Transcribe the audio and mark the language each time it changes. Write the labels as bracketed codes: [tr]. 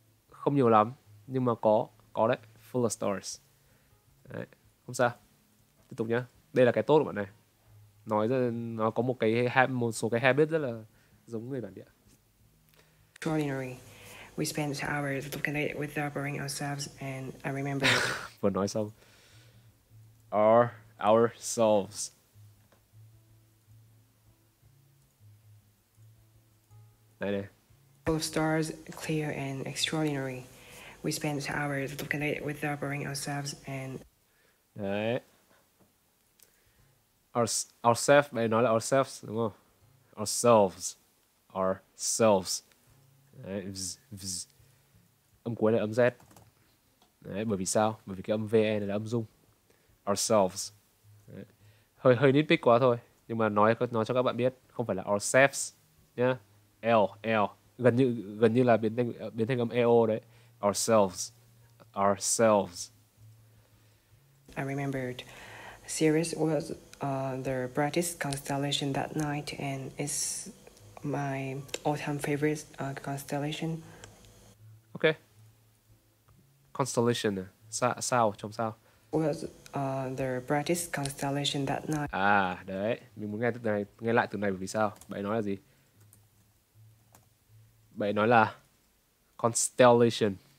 [vi] Không nhiều lắm, nhưng mà có đấy. [en] Full of stars. [vi] Đấy, không sao. Tiếp tục nhá. Đây là cái tốt của bạn này. Nói ra nó có một số cái habit rất là giống người bản địa. [en] Extraordinary. We spent hours looking at it without boring ourselves, and I remember. [vi] Vừa nói xong. [en] Our ourselves. [vi] Đây này. [en] Full of stars, clear and extraordinary. We spent hours looking at it without boring ourselves and... [vi] Đấy. Ourselves, mày nói là ourselves, đúng không? Ourselves. Ourselves. Đấy, vz, vz. Âm cuối là âm Z. Đấy, bởi vì sao? Bởi vì cái âm VE này là âm dung. Ourselves. Đấy. Hơi nitpick quá thôi. Nhưng mà nói cho các bạn biết, không phải là ourselves. Nhá. L. Gần như là biến thành âm EO đấy. Ourselves. [en] ourselves. I remembered Sirius was the brightest constellation that night, and it's my all-time favorite constellation. Okay. Constellation. Sao, trong sao? Was the brightest constellation that night. [vi] À, đấy. Mình muốn nghe từ này, nghe lại từ này vì sao? Bạn nói là gì? Bạn nói là constellation.